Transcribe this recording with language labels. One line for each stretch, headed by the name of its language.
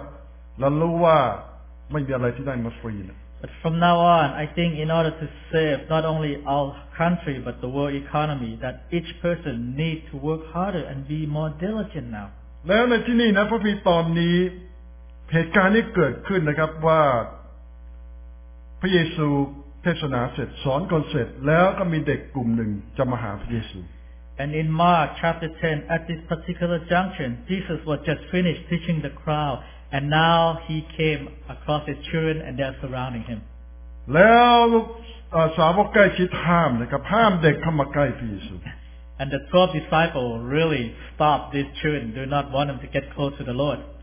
Thai: ฉะนั้นในเวลานี้ผมเชื่อนะครับจะแก้ปัญหาเศรษฐกิจของโลกในประเทศเราได้นะคนทุกคนจะต้องเปลี่ยนความคิดนะทุกคนจะต้องขยันทำงานหนักประหยัดและรู้ว่าไม่มีอะไรที่ได้มาฟรีนะ
English: But from now on, I think in order to save not only our country but the world economy, that each person needs to work harder and be more diligent now.
Thai: แล้วในที่นี้นะพอมีตอนนี้เหตุการณ์นี้เกิดขึ้นนะครับว่าพระเยซูเทศนาเสร็จสอนคนเสร็จแล้วก็มีเด็กกลุ่มหนึ่งจะมาหาพระเยซู
English: And in Mark chapter 10, at this particular junction, Jesus was just finished teaching the crowd. And now he came across his children and they're surrounding him. And the 12 disciples really stopped these children, do not want them to get close to the Lord.